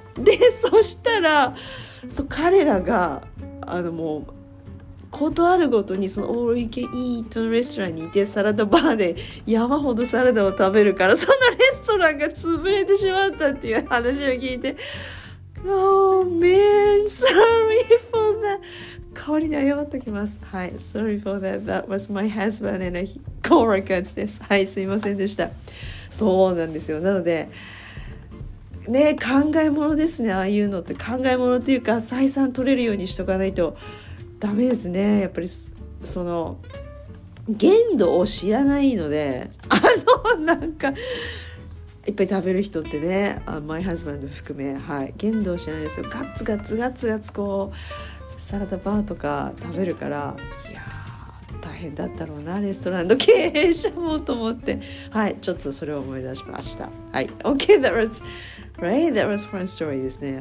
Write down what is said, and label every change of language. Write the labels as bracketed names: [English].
[Japanese] でそしたら、そ彼らがあのもうことあるごとにその All You Can Eat Restaurant にいて、サラダバーで山ほどサラダを食べるから、そのレストランが潰れてしまったっていう話を聞いて、 [English] Oh man, sorry for that. [Japanese] 代わりに謝っときます。はい、 [English] sorry for that. That was my husband and co-workers [Japanese] です。はい、すいませんでした。そうなんですよ。なので、ね、考え物ですね。ああいうのって考え物っていうか、採算取れるようにしとかないとダメですね。やっぱりその限度を知らないので、あのなんか。いっぱい食べる人ってね、 [English] my husband [Japanese] 含め、はい、限度を知らないですよ。ガツガツガツガツこうサラダバーとか食べるから、いやー大変だったろうな、レストランの経営者もと思って、はい、ちょっとそれを思い出しました。はい、 [English] OK that was right, that was fun story [Japanese] ですね。